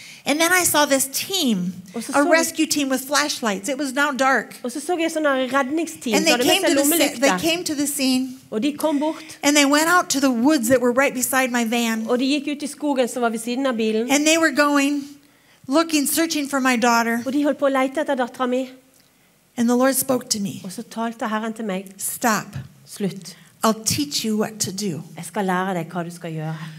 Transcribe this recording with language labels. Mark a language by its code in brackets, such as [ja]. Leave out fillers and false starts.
[en] And then I saw this team, a rescue team with flashlights. It was now dark. [no] Og så jeg sånne redningsteam. [en] And they came to the scene. [no] Og de kom bort. [en] And they went out to the woods that were right beside my van. [no] Og de gikk ut I skogen som var ved siden av bilen. [en] And they were going, looking, searching for my daughter. [no] Og de holdt på å lete etter datteren min. [en] And the Lord spoke to me. [no] Og så talte Herren til meg. [en] Stop. [no] Slutt. [en] I'll teach you what to do. [no] Jeg skal lære deg hva du skal gjøre.